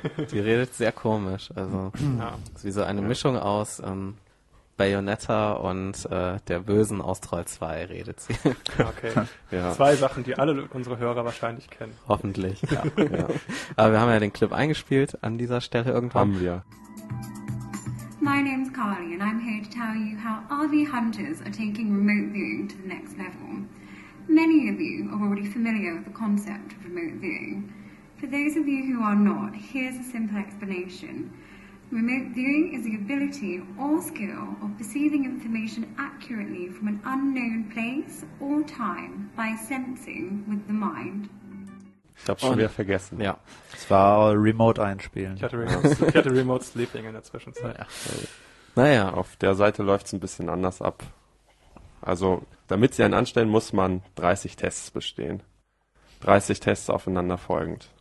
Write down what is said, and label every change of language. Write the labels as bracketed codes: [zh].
[de] Die redet sehr komisch. Also ja. ist wie so eine ja. Mischung aus Bayonetta und der bösen aus Troll 2 redet sie. Okay, ja. zwei Sachen, die alle unsere Hörer wahrscheinlich kennen. Hoffentlich. Ja. ja. Aber wir haben ja den Clip eingespielt an dieser Stelle irgendwann. Haben wir. [en] My name's Carly and I'm here to tell you how RV hunters are taking remote viewing to the next level. Many of you are already familiar with the concept of remote viewing. For those of you who are not, here's a simple explanation. Remote viewing is the ability or skill of perceiving information accurately from an unknown place or time by sensing with the mind. [de] Ich hab's schon wieder vergessen. Ja. Es war remote einspielen. Ich hatte remote sleeping in der Zwischenzeit. Ja. Naja. Auf der Seite läuft's ein bisschen anders ab. Also, damit sie einen anstellen, muss man 30 Tests bestehen. 30 Tests aufeinander folgend.